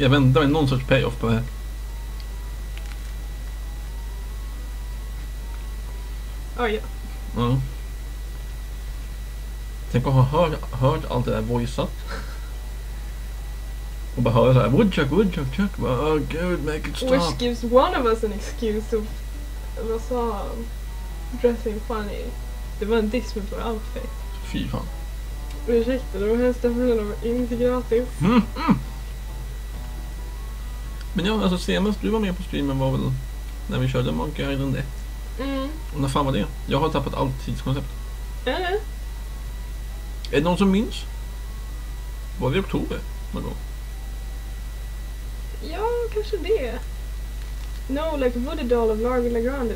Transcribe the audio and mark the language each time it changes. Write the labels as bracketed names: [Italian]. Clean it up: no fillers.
[Swedish] Jag väntar med någon sorts payoff på det. Oh, yeah. Ja. Tänk att ha hört allt det där voicet. Och bara höra såhär, [English] woodchuck, woodchuck, chuck. Oh, God, make it stop. Which gives one of us an excuse of... [Swedish] Vad sa han? [English] Dressing funny. [Swedish] Det var en diss med vår outfit. Fy fan. Ursäkta, det var hemskt därför de var inte gratis. Mm, mm. Men ja, alltså senast du var med på streamen var väl när vi körde Monkey Island 1. Mm. Och när fan var det? Jag har tappat allt tidskoncept. Mm. Är det någon som minns? Var det i oktober någon gång? Ja, kanske det. [English] No, like, would a doll of Larry LaGrande?